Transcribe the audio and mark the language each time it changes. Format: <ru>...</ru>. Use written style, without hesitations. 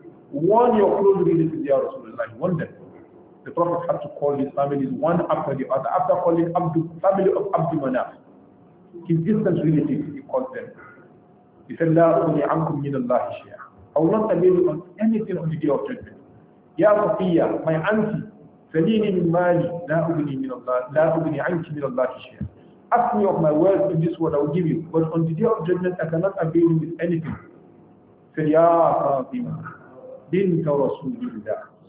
<en>One your close relatives, Ya Rasulullah, one them. The Prophet had to call his families one after the other. After calling Abdu, family of Abdu Manaf, his distant relatives, he called them. He said,</en> <ar>لَا أُغْنِي عَنْكُمْ مِنَ اللَّهِ شَيْئًا.</ar> <en>I will not avail you on anything on the day of judgment.</en> <ar>يَا صَفِيَّة,</ar> <en>my auntie,</en> <ar>سَلِينِي مِنْ مَالِي, لَا أُغْنِي عَنْكِ مِنَ اللَّهِ شَيْئًا.</ar> <en>Ask me of my wealth in this world, I will give you. But on the day of judgment, I cannot avail you with anything. He said,</en> <ar>يَا فَاطِمَة, بِنْتَ رَسُولِ اللَّهِ.</ar>